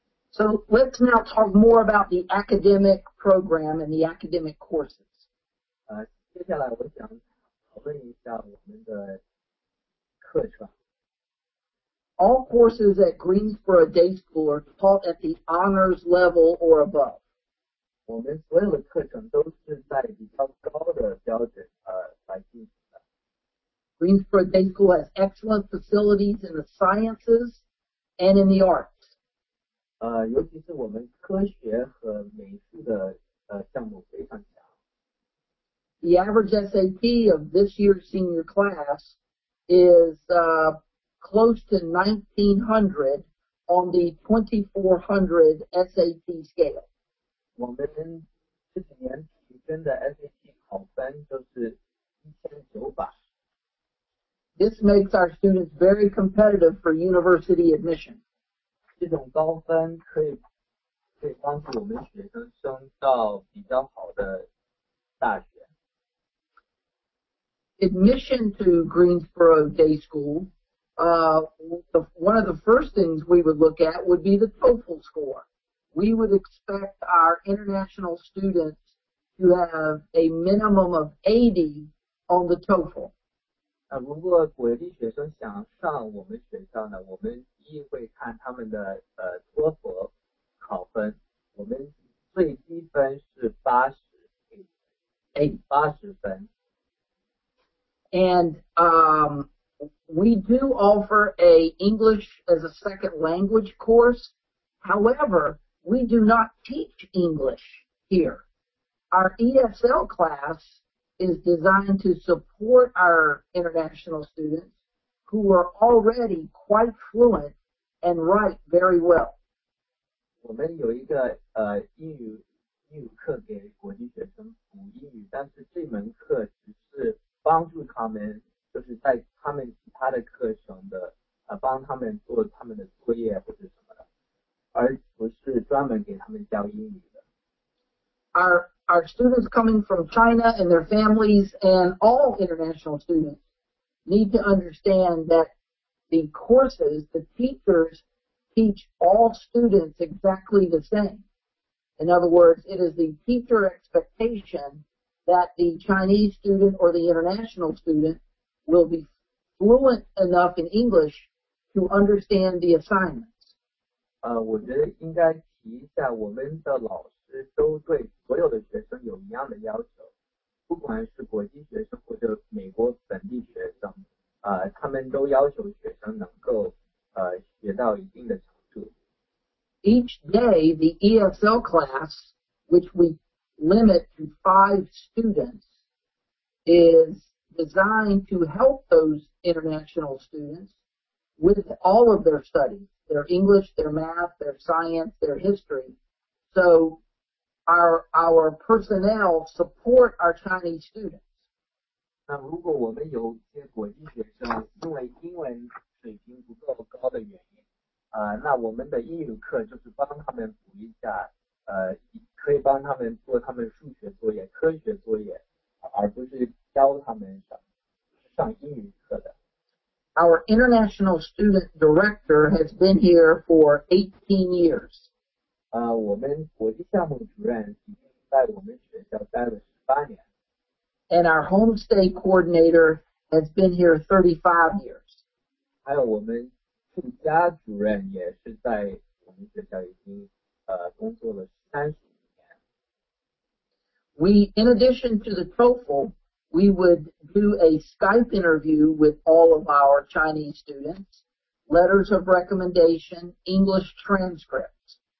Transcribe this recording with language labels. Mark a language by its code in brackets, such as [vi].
[en] So let's now talk more about the academic program and the academic courses. [zh] 接下来我想讨论一下我们的课程。 [en] All courses at Greensboro Day School are taught at the honors level or above. [zh] 我们所有的课程都是在比较高的标准来进行的。 [en] Greensboro Day School has excellent facilities in the sciences and in the arts. [zh] 尤其是我们科学和美术的项目非常强。 [en] The average SAT of this year's senior class is close to 1900 on the 2400 SAT scale. [zh] 我们这几年平均的 SAT 考分就是1900。 [en] This makes our students very competitive for university admission. [zh] 这种高分可以帮助我们学生升到比较好的大学。 [en] Admission to Greensboro Day School, one of the first things we would look at would be the TOEFL score. We would expect our international students to have a minimum of 80 on the TOEFL. [zh] 如果国际学生想上我们学校呢，我们一定会看他们的托福考分，我们最低分是80分。 [en] And we do offer a English as a second language course. However, we do not teach English here. Our ESL class is designed to support our international students who are already quite fluent and write very well. [zh] 我们有一个英语课给国际学生补英语，但是这门课只是帮助他们，就是在他们其他的课程的帮他们做他们的作业或者什么的，而不是专门给他们教英语的。 [en] Our students coming from China and their families and all international students need to understand that the courses, the teachers teach all students exactly the same. In other words, it is the teacher expectation that the Chinese student or the international student will be fluent enough in English to understand the assignments. [zh] 我觉得应该提一下，我们的老师都对所有的学生有一样的要求，不管是国际学生或者美国本地学生，他们都要求学生能够学到一定的程度。 [en] Each day, the ESL class, which we limit to 5 students, is designed to help those international students with all of their studies, their English, their math, their science, their history. So our personnel support our Chinese students. [zh] 那如果我们有一些国际学生因为英文水平不够高的原因，那我们的英语课就是帮他们补一下，可以帮他们做他们数学作业、科学作业，而不是教他们上英语课的。 [en] Our international student director has been here for 18 years. [zh] 我们国际项目主任已经在我们学校待了18年。 [en] And our homestay coordinator has been here 35 years. [zh] 还有我们住家主任也是在我们学校已经工作了30年。 [en] In addition to the TOEFL, we would do a Skype interview with all of our Chinese students, letters of recommendation, English transcripts.